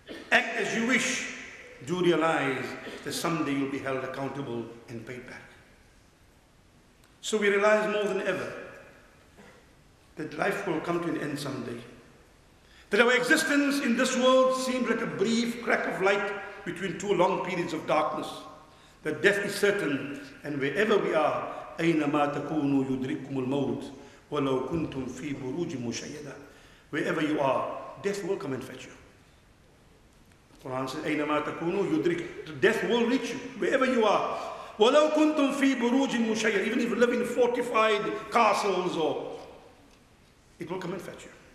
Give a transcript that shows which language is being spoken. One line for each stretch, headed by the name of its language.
English: Act as you wish, do realize that someday you'll be held accountable and paid back. So we realize more than ever that life will come to an end someday. That our existence in this world seems like a brief crack of light between two long periods of darkness. That death is certain, and wherever we are,
Arabic: أَيْنَمَا تَكُونُوا يُدْرِكُمُ الْمَوْتِ وَلَوْ كُنْتُمْ فِي بُرُوجٍ مُشَيَّدًا.
English: Wherever you are, death will come and fetch you. The Quran says,
Arabic: أَيْنَمَا تَكُونُوا يُدْرِكُمُ.
English: Death will reach you, wherever you are.
Arabic: وَلَوْ كُنْتُمْ فِي بُرُوجٍ مُشَيَّدًا.
English: Even if you live in fortified castles, or it will come and fetch you.